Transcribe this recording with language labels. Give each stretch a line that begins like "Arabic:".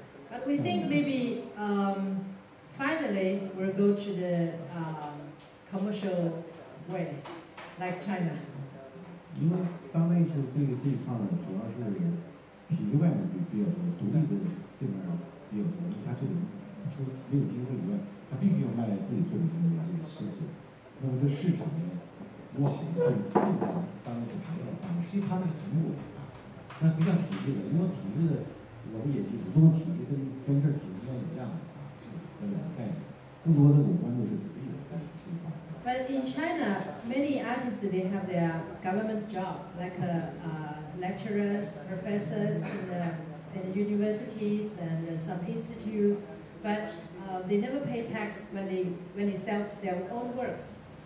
English: But we think maybe finally, we'll go to the commercial way, like China. Because
Chinese: 当代艺术这一块呢，主要是体制外面比较独立的这边呢，也有，他这里出没有机会以外，他必须要卖自己作品进入这个市场。那么这市场呢，如果好的话，当代艺术还要发展，实际他们是很火的。那不像体制的，因为体制的我们也记住，中国体制跟专制体制是一样的啊，是两个概念。更多的我关注是独立的在这一块。
English: But in China, many artists they have their government job, like lecturers, professors in the universities and some institutes. But they never pay tax when they sell their own works.